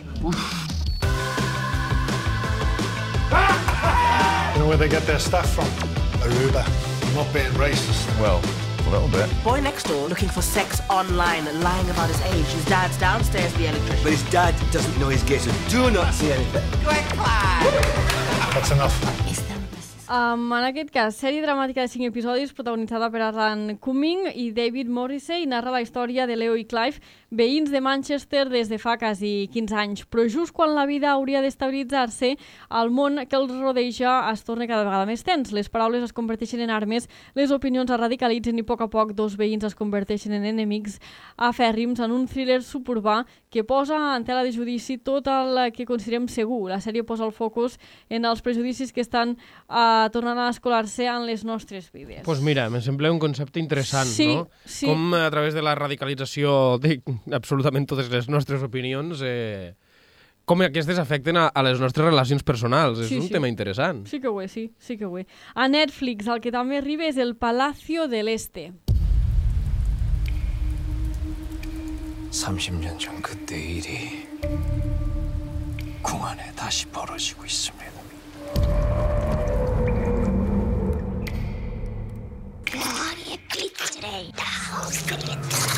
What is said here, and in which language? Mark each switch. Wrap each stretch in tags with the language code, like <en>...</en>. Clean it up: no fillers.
<en>You know where they get their stuff from? Aruba. I'm not being racist. Well, a little bit. Boy next door looking for sex online, lying about his age. His dad's downstairs, the electrician. But his dad doesn't know he's gay, so do not see anything. Great climb. That's enough.</en> <ca>En aquest cas, sèrie dramàtica de 5 episodis protagonitzada per Alan Cumming i David Morrissey narra la història de Leo i Clive, veïns de Manchester des de fa quasi 15 anys. Però just quan la vida hauria d'estabilitzar-se, el món que els rodeja es torna cada vegada més tens. Les paraules es converteixen en armes, les opinions es radicalitzen i a poc dos veïns es converteixen en enemics afèrrims en un thriller suburbà que posa en tela de judici tot el que considerem segur. La sèrie posa el focus en els prejudicis que estan tornant a escolar-se en les nostres vides. Doncs</ca> <es>pues</es> <ca>mira, em sembla un concepte interessant, sí, no? Sí. Com a través de la radicalització de absolutament totes les nostres opinions com aquestes afecten a les nostres relacions personals. És sí, un sí. tema interessant. Sí que ho és, sí. Sí que ho és. A Netflix el que també arriba és El Palacio del Este.</ca> <ko>30년 전 그때 일이 궁 안에 다시 벌어지고 있습니다. 머리에 빛을 다 없애겠다.</ko>